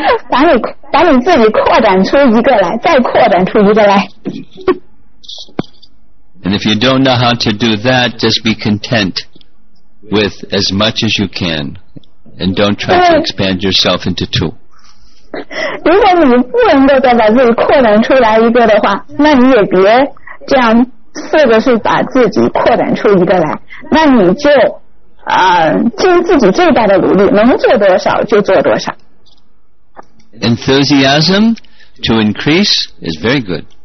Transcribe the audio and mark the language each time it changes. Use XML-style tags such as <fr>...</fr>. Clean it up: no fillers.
<zh>把你自己扩展出一个来，再扩展出一个来。</zh> <en>And if you don't know how to do that, just be content with as much as you can, and don't try to expand yourself into two.</en> <zh>如果你不能够再把自己扩展出来一个的话，那你也别这样试着是把自己扩展出一个来，那你就。尽自己最大的努力，能做多少就做多少。</zh> <en>Enthusiasm to increase is very good.</en>